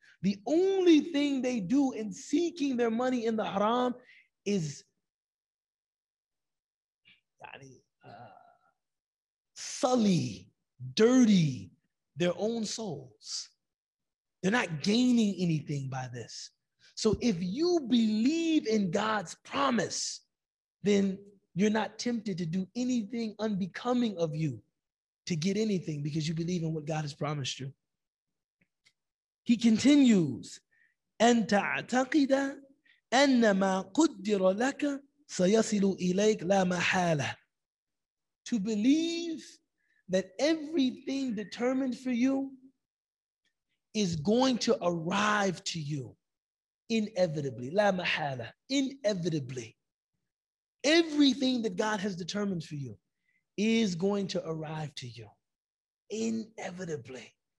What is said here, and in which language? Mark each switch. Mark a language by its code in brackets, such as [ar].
[en] The only thing they do in seeking their money in the haram is sully, dirty their own souls. They're not gaining anything by this. So if you believe in God's promise, then you're not tempted to do anything unbecoming of you to get anything because you believe in what God has promised you. He continues, [ar] أن تعتقد أن ما قدر لك سيصل إليك لا محالة. [en] To believe that everything determined for you is going to arrive to you inevitably. [ar] لا محالة, [en] inevitably. Everything that God has determined for you is going to arrive to you inevitably.